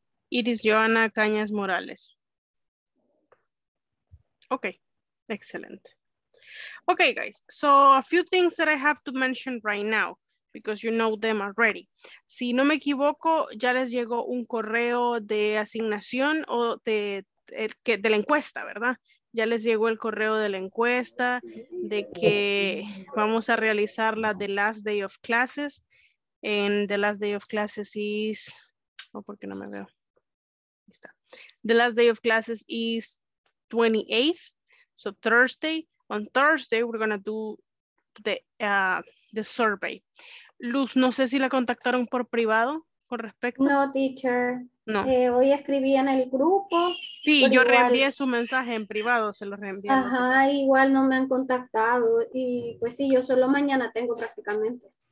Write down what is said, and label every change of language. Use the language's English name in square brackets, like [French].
[Spanish] Iris Joana Cañas Morales. [English] Okay, excellent. Okay, guys, so a few things that I have to mention right now, because you know them already. [Spanish] Si no me equivoco, ya les llegó un correo de asignación o de la encuesta, ¿verdad? Ya les llegó el correo de la encuesta de que vamos a realizar la The Last Day of Classes. [English] En The Last Day of Classes is... Oh, [Spanish] ¿por qué no me veo? Ahí está. [English] The Last Day of Classes is 28th, so Thursday. On Thursday, we're going to do the survey. [Spanish] Luz, no sé si la contactaron por privado con respecto. No, teacher. No. Hoy escribí en el grupo. Sí, yo igual reenvié su mensaje en privado, se lo reenvié. Ajá, igual no me han contactado. Y pues sí, yo solo mañana tengo prácticamente.